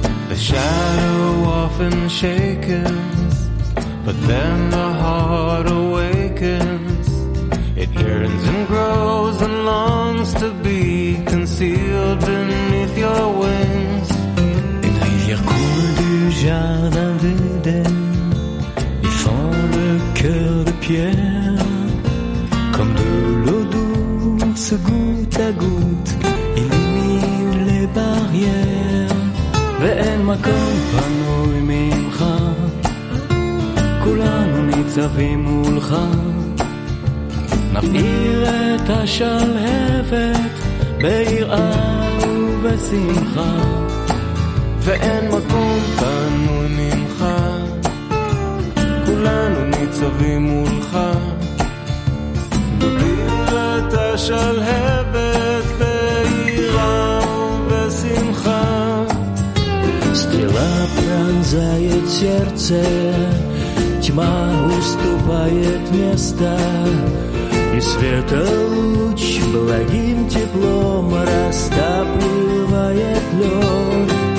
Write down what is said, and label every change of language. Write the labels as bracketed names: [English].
[English] The shadow often shakens, but then the heart awakens. It yearns and grows and longs to be concealed beneath your wings. [French] Une rivière coule du jardin d'Éden, y fend le cœur de pierre. Comme de l'eau douce, goutte à goutte, illumine les barrières. [Hebrew] ואין מקום פנוי ממך, כולנו ניצבים מולך. נפעיר את השלהבת ביראה ובשמחה. ואין מקום פנוי ממך, כולנו ניצבים מולך. נפעיר את השלהבת ביראה ובשמחה. [Russian] Стрела пронзает сердце, тьма уступает место, и света луч благим теплом растапливает лед.